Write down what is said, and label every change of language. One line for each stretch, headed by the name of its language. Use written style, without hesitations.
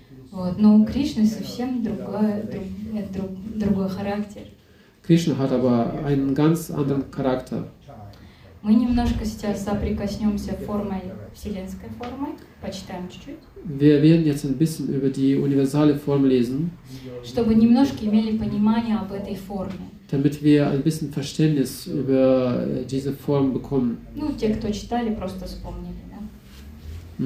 Russian: Вот, но у Кришны совсем другой характер.
German: Кришна hat aber einen ganz anderen Charakter.
Russian: Мы немножко сейчас соприкоснемся формой вселенской формы, почитаем чуть-чуть.
German: Wir werden jetzt ein bisschen über die universale Form lesen.
Russian: Чтобы немножко имели понимание об этой форме.
German: Damit wir ein bisschen Verständnis über diese Form bekommen.
Russian: Ну, те, кто читали, просто вспомнили, да?